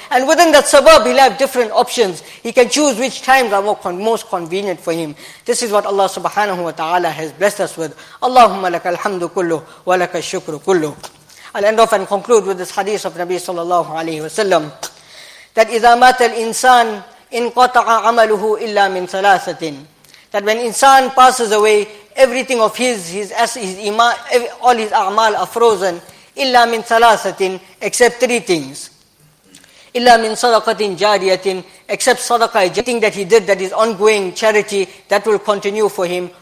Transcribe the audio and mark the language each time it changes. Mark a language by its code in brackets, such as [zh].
[en] And within that suburb, he'll have different options. He can choose which times are most convenient for him. This is what Allah subhanahu wa ta'ala has blessed us with. [ar] Allahumma laka alhamdu kullu wa laka shukru kullu. [en] I'll end off and conclude with this hadith of Nabi sallallahu alayhi wa sallam. [ar] That إذا مات الإنسان انقطع عمله إلا من ثلاثة. [en] That when insan passes away, everything of his iman, all his a'mal are frozen. [ar] إلا من ثلاثة, [en] except three things. [ar] إلا من صدقة جارية, [en] except صدقة, anything that he did that is ongoing charity that will continue for him.